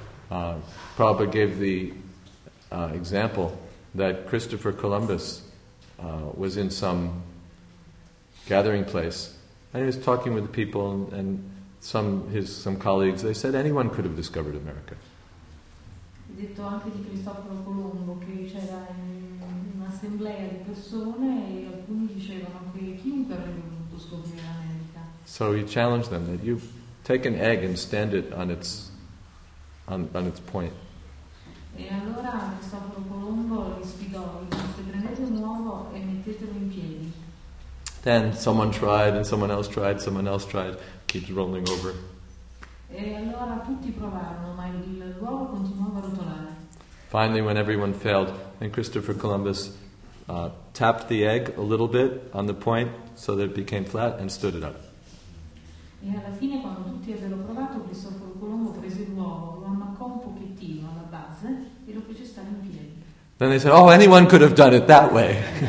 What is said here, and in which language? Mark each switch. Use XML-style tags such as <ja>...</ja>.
<en>Prabhupada gave the example that Christopher Columbus was in some gathering place and he was talking with the people and some colleagues. They said anyone could have discovered America.</en> <it>Ha detto anche di Cristoforo Colombo che c'era un'assemblea di persone e alcuni dicevano che chiunque avrebbe potuto scoprire l'America.</it> <en>So he challenged them that you take an egg and stand it on its on its point.</en> <it>E allora Cristoforo Colombo gli sfidò: se prendete un uovo e mettetelo in piedi.</it> <en>Then someone tried, and someone else tried, someone else tried. Keeps rolling over.</en> <it>E allora tutti provarono, ma l'uovo continuava a rotolare.</it> <en>Finally, when everyone failed, then Christopher Columbus tapped the egg a little bit on the point so that it became flat and stood it up.</en> <it>E alla fine, quando tutti avevano provato, Cristoforo Colombo prese l'uovo, lo ammaccò un pochettino alla base e lo fece stare in piedi.</it> <en>Then they said, oh, anyone could have done it that way.</en>